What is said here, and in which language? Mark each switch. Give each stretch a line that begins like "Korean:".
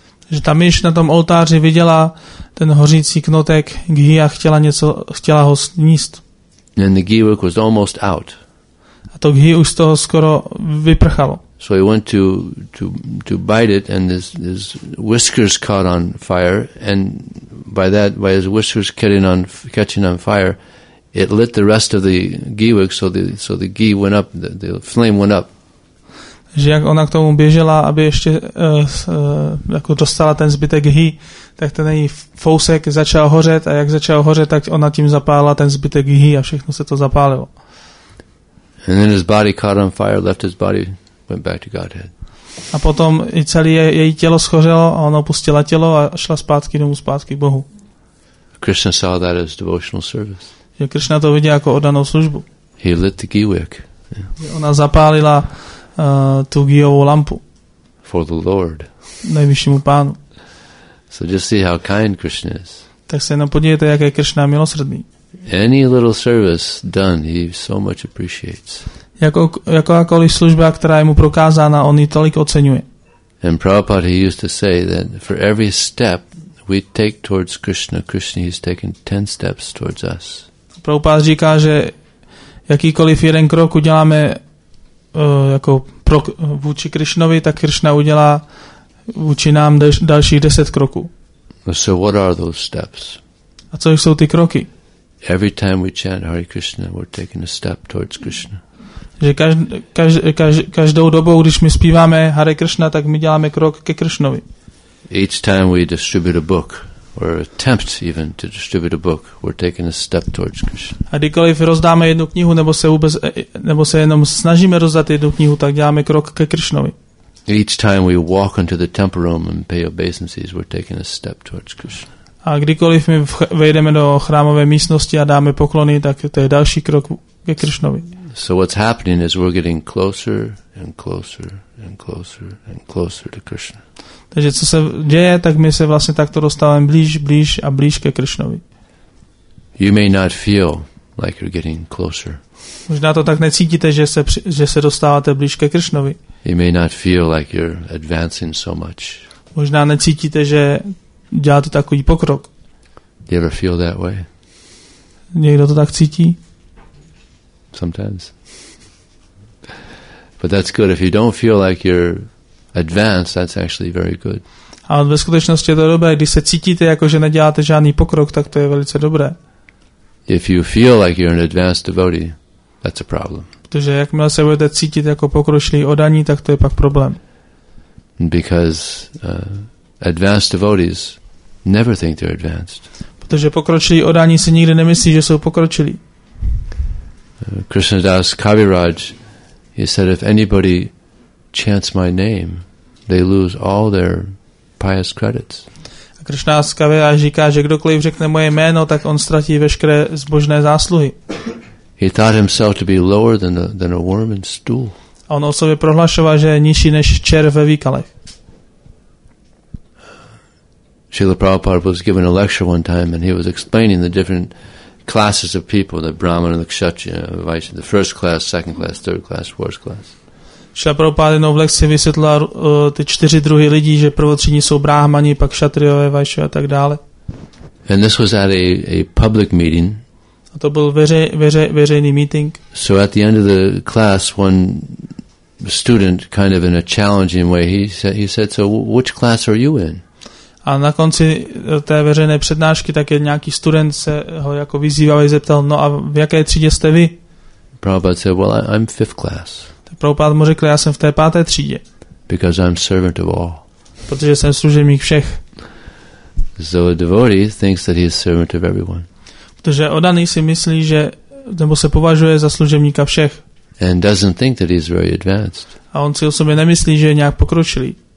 Czech: Že ta myš na tom oltáři viděla ten hořící knotek ghi a chtěla něco, chtěla ho sníst.
English: And the ghee work was almost out.
Czech: A to ghi už z toho skoro vyprchalo.
English: So he went to bite it and his whiskers caught on fire, and by that, by his whiskers catching on fire, it lit the rest of the ghee work, so the ghee went up, the flame went up.
Czech: Že jak ona k tomu běžela, aby ještě jako dostala ten zbytek ghee, tak ten její fousek začal hořet, a jak začal hořet, tak ona tím zapálila ten zbytek ghee a všechno se to zapálilo.
English: And then his body caught on fire, left his body, went back to Godhead.
Czech: A potom i celé její tělo schořelo a ona opustila tělo a šla zpátky domů, zpátky k Bohu.
English: Krishna saw that as devotional service.
Czech: Že Krishna to viděl jako oddanou službu.
English: He lit the ghee wick.
Czech: Yeah. Ona zapálila tu ghee-ovou lampu.
English: For the Lord.
Czech: Nejvyššímu pánu.
English: So just see how kind Krishna is.
Czech: Tak se jenom podívejte, jak je Krishna milosrdný.
English: Any little service done, he so much appreciates.
Czech: Jakákoliv služba, která je mu prokázána, on ji tolik oceňuje.
English: And Prabhupada, he used to say that for every step we take towards Krishna, Krishna has taken 10 steps towards us.
Czech: Prabhupada říká, že jakýkoliv jeden krok uděláme jako vůči Krishnovi, tak Krishna udělá vůči nám dalších 10 kroků.
English: So what are those steps?
Czech: A co jsou ty kroky?
English: Every time we chant Hare Krishna, we're taking a step towards Krishna.
Czech: Že každou dobou, když my zpíváme Hare Krishna, tak my děláme krok ke Krishnovi.
English: Each time we distribute a book, or attempt even to distribute a book, we're taking a step towards Krishna.
Czech: A kdykoliv rozdáme jednu knihu, nebo se jenom snažíme rozdat jednu knihu, tak děláme krok ke Krishnovi.
English: Each time we walk into the temple room and pay obeisances, we're taking a step towards Krishna.
Czech: A kdykoliv my vejdeme do chrámové místnosti a dáme poklony, tak to je další krok ke Krishnovi.
English: So what's happening is we're getting closer and closer and closer and closer to Krishna.
Czech: Takže co se děje, tak my se vlastně takto dostáváme blíž, blíž a blíž ke Krishnovi.
English: You may not feel like you're getting closer.
Czech: Možná to tak necítíte, že se dostáváte blíž ke Krishnovi.
English: You may not feel like you're advancing so much.
Czech: Možná necítíte, že děláte takový pokrok.
English: You ever feel that way?
Czech: Někdo to tak cítí?
English: Sometimes. But that's good. If you don't feel like you're advanced, that's actually very good.
Czech: Ale ve skutečnosti je to dobré. Když se cítíte, jako že neděláte žádný pokrok, tak to je velice dobré.
English: If you feel like you're an advanced devotee, that's a problem.
Czech: Protože jakmile se budete cítit jako pokročilý oddaný, tak to je pak problém.
English: Because advanced devotees never think they're advanced.
Czech: Protože pokročilí oddaní si nikdy nemyslí, že jsou pokročilí.
English: Krishna Das Kaviraj, he said, if anybody chants my name, they lose all their pious credits.
Czech: A Krishna Das Kaviraj říká, že kdokoliv řekne moje jméno, tak on ztratí veškeré zbožné zásluhy.
English: He thought himself to be lower than a worm in stool.
Czech: A on o sobě prohlašoval, že je nižší než červ ve výkalech.
English: Srila Prabhupada was given a lecture one time and he was explaining the different classes of people, the Brahmana, the Kshatriya, Vaishya, the first class, second class, third class, fourth class.
Czech: Srila Prabhupada jednou v lekci vysvětlila ty čtyři druhy lidí, že prvotřídní jsou Brahmani, pak Kshatriyové, Vaishya a tak dále.
English: And this was at a public meeting.
Czech: A to byl veřejný meeting.
English: So at the end of the class, one student, kind of in a challenging way, he said, so which class are you in?
Czech: A na konci té veřejné přednášky tak je nějaký student se ho jako vyzýval a zeptal, no a v jaké třídě jste vy?
English: Prabhupada said, well, I'm fifth class.
Czech: Prabhupada mu řekl, já jsem v té páté třídě.
English: Because I'm servant of all.
Czech: Protože jsem služebník všech.
English: So a devotee thinks that he is servant of everyone.
Czech: Protože oddaný si myslí, že nebo se považuje za služebníka všech.
English: And doesn't think that he's very advanced.
Czech: A on si o sobě nemyslí, že je nějak pokročilý.